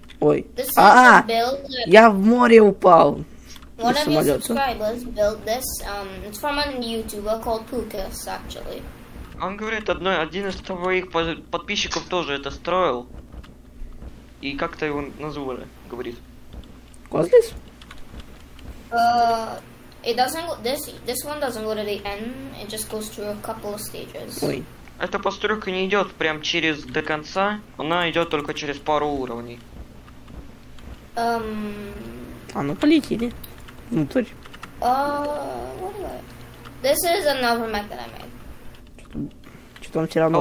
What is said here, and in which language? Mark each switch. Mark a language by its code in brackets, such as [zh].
[ru] Ой. Я в море упал. [en] One of your subscribers built this. It's from a YouTuber called Pukas, actually. [ru] Он говорит, один из твоих подписчиков тоже это строил. И как-то его назвали, говорит. Козлис? [en] It doesn't go, this one doesn't go to the end, it just goes through a couple of stages. [ru] Ой. Эта постройка не идет прям через до конца, она идет только через пару уровней. А ну полетели. Внутрь. [en] This is another map that I made. [ru] Что-то он все равно.